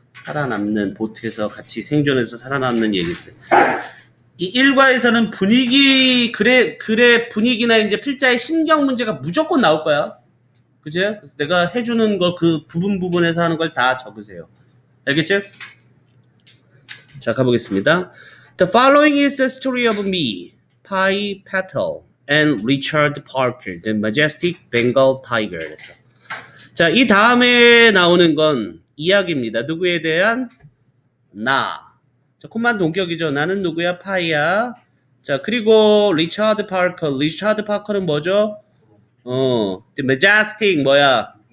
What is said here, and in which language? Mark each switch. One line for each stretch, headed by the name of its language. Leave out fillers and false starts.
Korean: 살아남는 보트에서 같이 생존해서 살아남는 얘기들. 이 일과에서는 분위기 글의 분위기나 이제 필자의 신경 문제가 무조건 나올 거야. 그지? 그래서 내가 해주는 거 그 부분 부분에서 하는 걸 다 적으세요. 알겠지? 자, 가보겠습니다.
English: The following is the story of me, Pi Patel and Richard Parker, the majestic Bengal tiger.
Korean: 자, 이 다음에 나오는 건 이야기입니다. 누구에 대한? 나. 자, 콤만 동격이죠. 나는 누구야? 파이야. 자, 그리고 리차드 파커. 리차드 파커는 뭐죠?
English: The Majestic,
Korean: 뭐야?